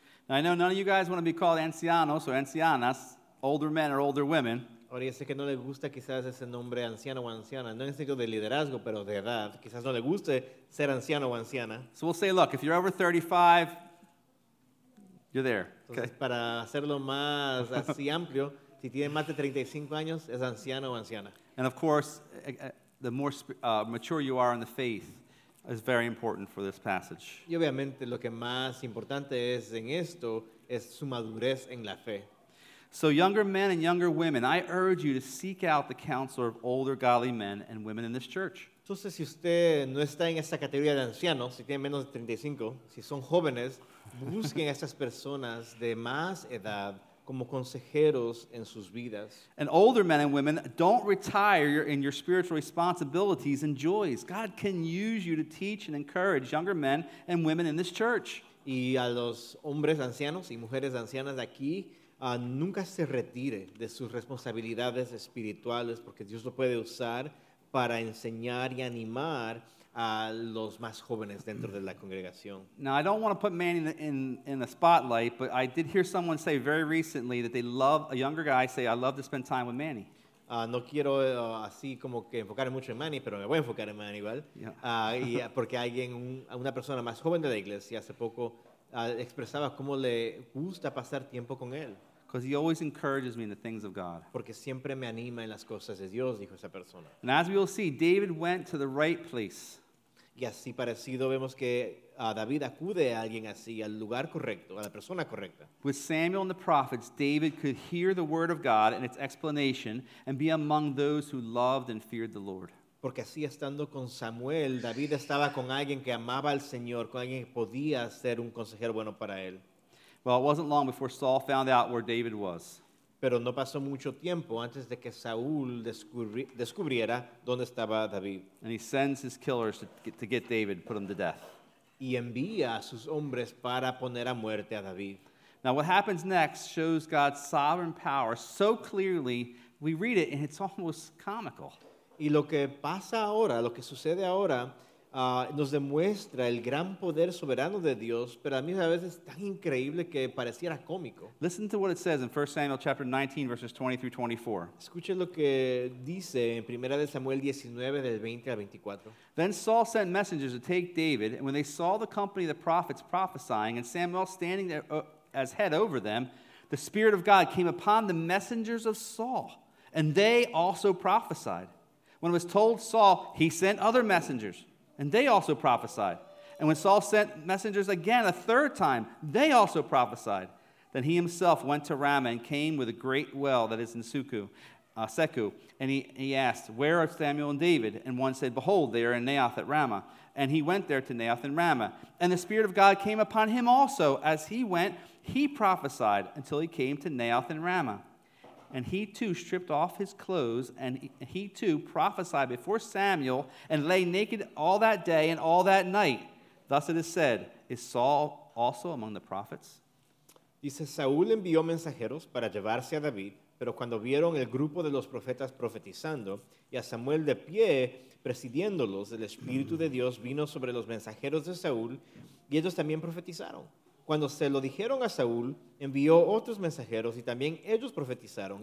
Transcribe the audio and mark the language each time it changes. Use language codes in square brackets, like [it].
[en] Now, I know none of you guys want to be called ancianos or ancianas, older men or older women. [es] Ahora ya sé que no le gusta quizás ese nombre anciano o anciana, no en sentido de liderazgo, pero de edad. Quizás no le guste ser anciano o anciana. [en] So we'll say, look, if you're over 35, you're there. [es] Entonces, okay. Para hacerlo más así amplio, si tiene más de 35 años, es anciano o anciana. [en] And of course, the more mature you are in the faith is very important for this passage. [es] Y obviamente lo que más importante es en esto es su madurez en la fe. [en] So younger men and younger women, I urge you to seek out the counsel of older godly men and women in this church. [es] Entonces, si usted no está en esta categoría de ancianos, si tiene menos de 35, si son jóvenes, busquen a estas personas de más edad como consejeros en sus vidas. [en] And older men and women, don't retire in your spiritual responsibilities and joys. God can use you to teach and encourage younger men and women in this church. [es] Y a los hombres ancianos y mujeres ancianas de aquí, nunca se retire de sus responsabilidades espirituales, porque Dios lo puede usar para enseñar y animar a los más jóvenes dentro de la congregación. [en] Now, I don't want to put Manny in the spotlight, but I did hear someone say very recently that they love, a younger guy say, I love to spend time with Manny. [es] No quiero así como que enfocar mucho en Manny, pero me voy a enfocar en Manny, ¿vale? [en] Yeah. [es] Y porque alguien, una persona más joven de la iglesia hace poco expresaba cómo le gusta pasar tiempo con él. [en] Because he always encourages me in the things of God. [es] Porque siempre me anima en las cosas de Dios, dijo esa persona. [en] And as we will see, David went to the right place. [es] Y así parecido vemos que David acude a alguien así, al lugar correcto, a la persona correcta. [en] With Samuel and the prophets, David could hear the word of God and its explanation and be among those who loved and feared the Lord. [es] Porque así estando con Samuel, David estaba con alguien que amaba al Señor, con alguien que podía ser un consejero bueno para él. [en] Well, it wasn't long before Saul found out where David was. [es] Pero no pasó mucho tiempo antes de que Saúl descubriera dónde estaba David. [en] And he sends his killers to get David, put him to death. [es] Y envía a sus hombres para poner a muerte a David. [en] Now, what happens next shows God's sovereign power so clearly, we read it and it's almost comical. [es] Y lo que pasa ahora, lo que sucede ahora, nos demuestra el gran poder soberano de Dios, pero a mí a veces es tan increíble que pareciera cómico. [en] Listen to what it says in 1 Samuel chapter 19, verses 20 through 24. [es] Escuche lo que dice en 1 Samuel 19, del 20 al 24. [en] Then Saul sent messengers to take David, and when they saw the company of the prophets prophesying, and Samuel standing there as head over them, the Spirit of God came upon the messengers of Saul, and they also prophesied. When it was told Saul, he sent other messengers, and they also prophesied. And when Saul sent messengers again a third time, they also prophesied. Then he himself went to Ramah and came with a great well that is in Sekou. And he asked, where are Samuel and David? And one said, behold, they are in Naoth at Ramah. And he went there to Naoth and Ramah. And the Spirit of God came upon him also. As he went, he prophesied until he came to Naoth and Ramah. And he too stripped off his clothes, and he too prophesied before Samuel, and lay naked all that day and all that night. Thus it is said, is Saul also among the prophets? [es] Dice, Saúl envió mensajeros para llevarse a David, pero cuando vieron el grupo de los profetas profetizando, y a Samuel de pie presidiéndolos, el Espíritu de Dios vino sobre los mensajeros de Saúl, y ellos también profetizaron. Cuando se lo dijeron a Saúl, envió otros mensajeros y también ellos profetizaron.